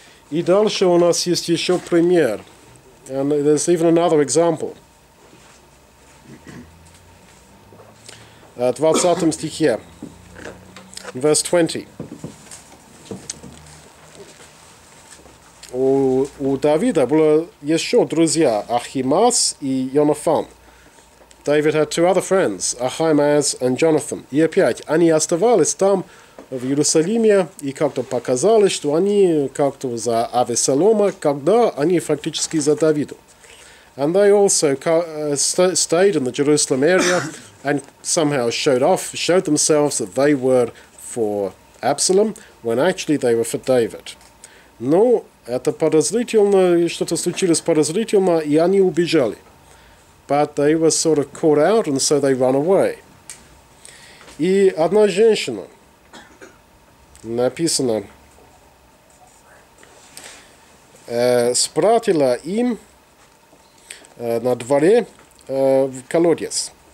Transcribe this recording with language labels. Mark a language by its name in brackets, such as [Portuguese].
[Russian] И дальше у нас есть еще пример. [English] And there's even another example. [Russian] 20 стихе, [English] verse 20. [Russian] У Давида было еще друзья, Ахимас и Йонафан. [English] David had two other friends, Ahimaaz and Jonathan. [Russian] И опять, они оставались там, в Иерусалиме, и как-то показалось, что они как-то за Авессалома, когда они фактически за Давида. [English] And they also stayed in the Jerusalem area and somehow showed themselves that they were for Absalom when actually they were for David. [Russian] Но это подозрительно, что-то случилось подозрительно, и они убежали. [English] But they were sort of caught out and so they ran away. [Russian] И одна женщина написана спратила им на дворе в колодец.